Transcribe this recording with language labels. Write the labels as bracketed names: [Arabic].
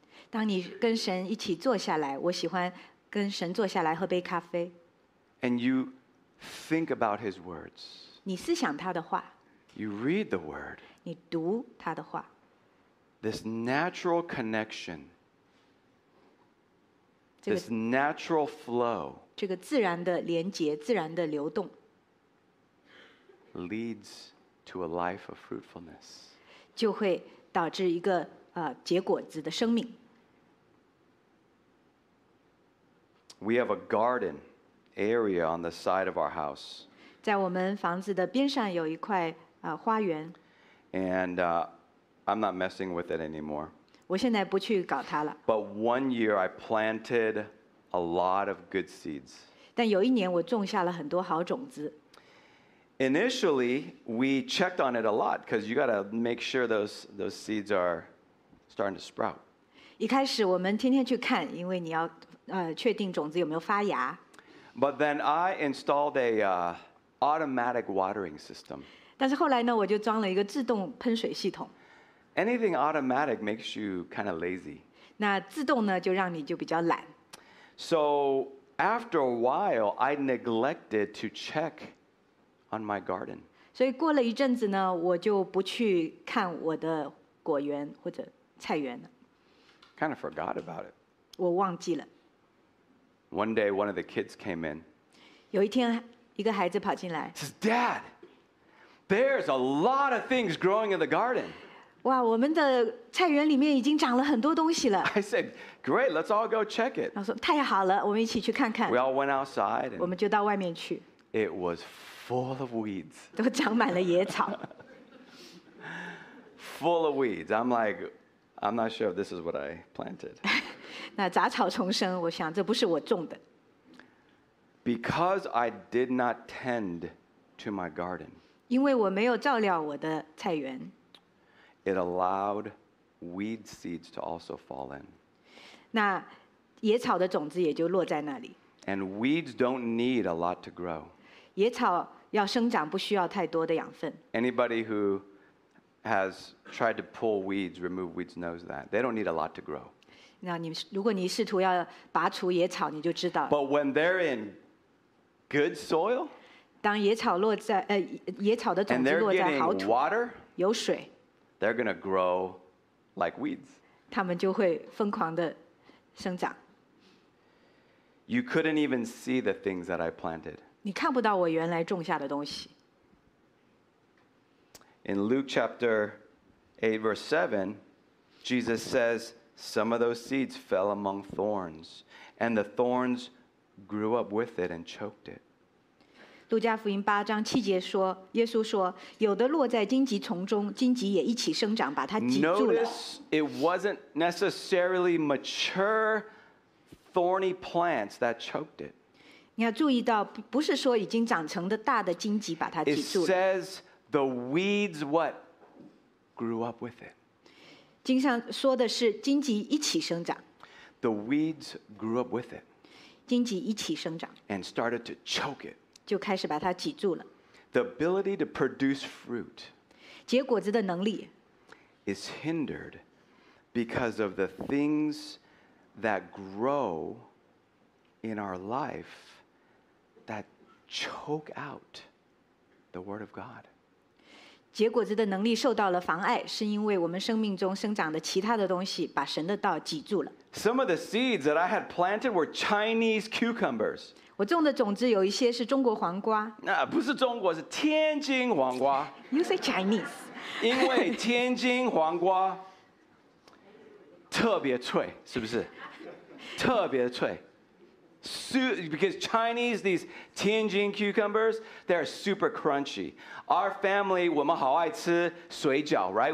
[Chinese] 当你跟神一起坐下来，我喜欢跟神坐下来喝杯咖啡。 [English] And you think about His words. [Chinese] 你思想他的话。 [English] You read the word. [Chinese] 你读他的话。 [English] This natural connection. This natural flow. [Chinese] 这个自然的连结，自然的流动。 [English] Leads to a life of fruitfulness. [Chinese] 就会导致一个结果子的生命。 [English] We have a garden area on the side of our house. [Chinese] 在我们房子的边上有一块花园。 [English] And I'm not messing with it anymore. [Chinese] 我现在不去搞它了。 [English] But one year I planted a lot of good seeds. [Chinese] 但有一年我种下了很多好种子。 [English] Initially, we checked on it a lot because you got to make sure those seeds are starting to sprout. [Chinese] 一开始我们天天去看，因为你要确定种子有没有发芽。 [English] But then I installed a automatic watering system. [Chinese] 但是后来呢，我就装了一个自动喷水系统。 [English] Anything automatic makes you kind of lazy. [Chinese] 那自动呢，就让你就比较懒。 [English] So after a while, I neglected to check. On my garden. [Chinese] 所以过了一阵子呢，我就不去看我的果园或者菜园了。 [English] Kind of forgot about it. [Chinese] 我忘记了。 [English] One day, one of the kids came in. [Chinese] 有一天，一个孩子跑进来。 [English] Says, "Dad, there's a lot of things growing in the garden." [Chinese] 哇，我们的菜园里面已经长了很多东西了。 [English] I said, "Great, let's all go check it." [Chinese] 他说太好了，我们一起去看看。 [English] We all went outside. [Chinese] 我们就到外面去。 [English] It was. Full of weeds. [Chinese] 都长满了野草。 [English] Full of weeds. I'm like, I'm not sure if this is what I planted. [Chinese] 那杂草丛生，我想这不是我种的。 [English] Because I did not tend to my garden. [Chinese] 因为我没有照料我的菜园。 [English] It allowed weed seeds to also fall in. [Chinese] 那野草的种子也就落在那里。 [English] And weeds don't need a lot to grow. [Chinese] 野草要生长不需要太多的养分。 [English] Anybody who has tried to pull weeds, remove weeds knows that. They don't need a lot to grow. [Chinese] 那你如果你试图要拔除野草你就知道。 [English] But when they're in good soil, [Chinese] 当野草落在野草的种子落在好土 [English] water, [Chinese] 有水 [English] they're going to grow like weeds. [Chinese] 他们就会疯狂的生长。 [English] You couldn't even see the things that I planted. [Chinese] 你看不到我原来种下的东西。 [English] In Luke chapter 8 verse 7, Jesus says, some of those seeds fell among thorns, and the thorns grew up with it and choked it. [Chinese] 路加福音八章七节说，耶稣说，有的落在荆棘丛中，荆棘也一起生长，把它挤住了。 [English] Notice it wasn't necessarily mature, thorny plants that choked it. [Chinese] 你要注意到，不是说已经长成的大的荆棘把它挤住了。 [English] It says the weeds what grew up with it. [Chinese] 经上说的是荆棘一起生长。 [English] The weeds grew up with it. [Chinese] 荆棘一起生长。 [English] And started to choke it. [Chinese] 就开始把它挤住了。 [English] The ability to produce fruit, [Chinese] 结果子的能力 [English] is hindered because of the things that grow in our life that choke out the word of God. [Chinese] 结果子的能力受到了妨碍，是因为我们生命中生长的其他的东西把神的道挤住了。 [English] Some of the seeds that I had planted were Chinese cucumbers. [Chinese] 我种的种子有一些是中国黄瓜。那不是中国，是天津黄瓜。 [English] You say Chinese. [Chinese] 因为天津黄瓜特别脆，是不是？特别脆。 [English] Because Chinese, these Tianjin cucumbers, they're super crunchy. Our family, [Chinese] 我们好爱吃水饺 [English] right?